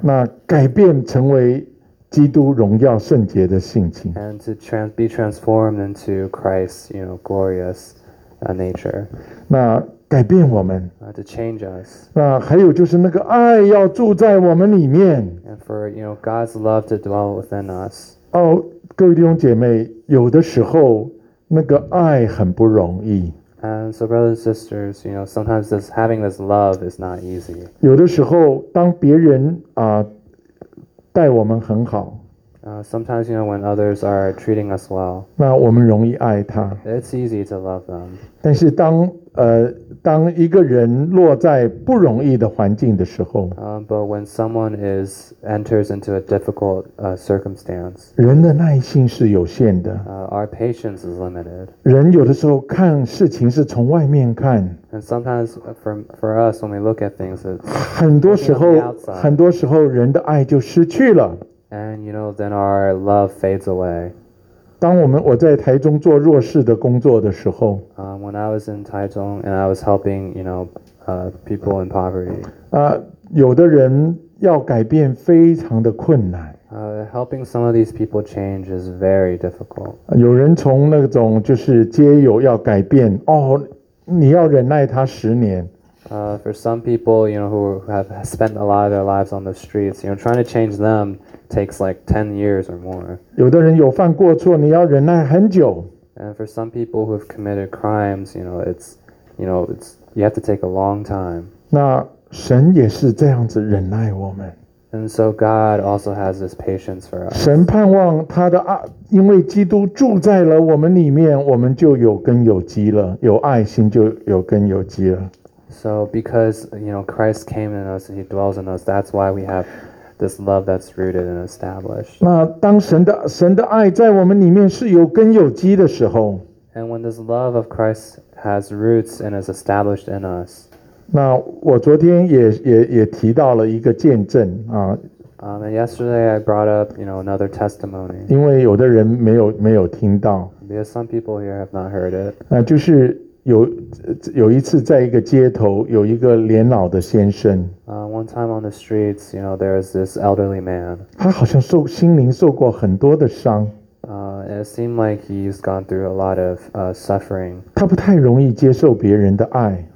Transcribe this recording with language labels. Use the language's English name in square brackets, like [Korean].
[Chinese] 那改变成为基督荣耀圣洁的性情 [English] and to be transformed into Christ's, you know, glorious nature. [Chinese] 那改变我们 [English] to change us. [Chinese] 那还有就是那个爱要住在我们里面 [English] and for, you know, God's love to dwell within us. [Chinese] 哦，各位弟兄姐妹，有的时候那个爱很不容易。 [English] And so, brothers and sisters, you know, sometimes this having this love is not easy. [Chinese] 有的时候，当别人待我们很好。 [English] Sometimes, you know, when others are treating us well, [Chinese] 那我们容易爱他。 [English] It's easy to love them. [Chinese] 但是当当一个人落在不容易的环境的时候， [English] but when someone enters into a difficult circumstance, [Chinese] 人的耐心是有限的。 [English] Our patience is limited. [Chinese] 人有的时候看事情是从外面看。 [English] And sometimes for us, when we look at things, [Chinese] 很多时候人的爱就失去了。 [English] And you know, then our love fades away. [Chinese] 当我在台中做弱势的工作的时候， [English] when I was in Taichung and I was helping, you know, people in poverty. [Chinese] 有的人要改变非常的困难。 [English] Helping some of these people change is very difficult. [Chinese] 有人从那种就是街友要改变，哦，你要忍耐他十年。 [English] For some people, you know, who have spent a lot of their lives on the streets, you know, trying to change them takes like 10 years or more. [Chinese] 有的人有犯过错，你要忍耐很久。 [English] And for some people who have committed crimes, it's you have to take a long time. [Chinese] 那神也是这样子忍耐我们。 [English] And so God also has this patience for us. [Chinese] 神盼望他的爱，因为基督住在了我们里面，我们就有根有基了，有爱心就有根有基了。 [English] So because, you know, Christ came in us and he dwells in us, that's why we have this love that's rooted and established. [Chinese] 那当神的爱在我们里面是有根有基的时候， [English] and when this love of Christ has roots and is established in us. [Chinese] 那我昨天也提到了一个见证啊。 [English] And yesterday I brought up, you know, another testimony. [Chinese] 因为有的人没有听到。 [English] Because some people here have not heard it. [Chinese] 那就是有一次在一个街头有一个年老的先生。 [English] One time on the streets, you know, there is this elderly man. [Chinese] 他好像心灵受过很多的伤。 [English] It seemed like he's gone through a lot of suffering. [Chinese] 他不太容易接受别人的爱。